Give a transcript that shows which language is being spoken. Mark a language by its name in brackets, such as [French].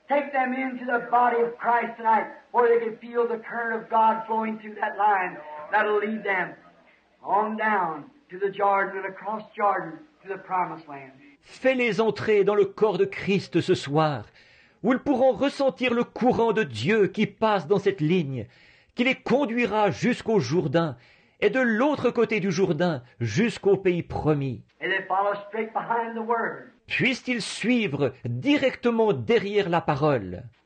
[English] Take them into the body of Christ tonight, where they can feel the current of God flowing through that line that'll lead them on down to the Jordan and across Jordan to the Promised Land. [French] Fais-les entrer dans le corps de Christ ce soir, où ils pourront ressentir le courant de Dieu qui passe dans cette ligne, qui les conduira jusqu'au Jourdain, et de l'autre côté du Jourdain jusqu'au pays promis. [English] And they follow straight behind the word. [French] Puissent-ils suivre directement derrière la parole.